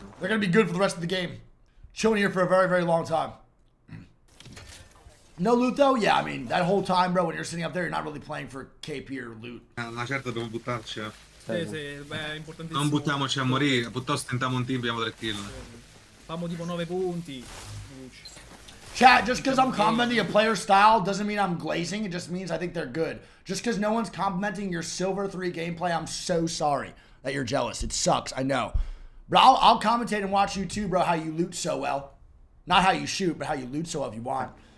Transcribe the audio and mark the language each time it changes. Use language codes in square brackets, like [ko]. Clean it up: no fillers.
[en] They're gonna be good for the rest of the game. Chilling here for a very, very long time. No loot though? Yeah, I mean, that whole time, bro, when you're sitting up there, you're not really playing for KP or loot. [it] Non buttiamoci a morire, piuttosto tentiamo un team, abbiamo 3 kill. Famo tipo 9 punti. [en] Chat, just because I'm complimenting a player's style doesn't mean I'm glazing. It just means I think they're good. Just because no one's complimenting your Silver 3 gameplay, I'm so sorry that you're jealous. It sucks, I know. But I'll commentate and watch you too, bro, how you loot so well. Not how you shoot, but how you loot so well if you want.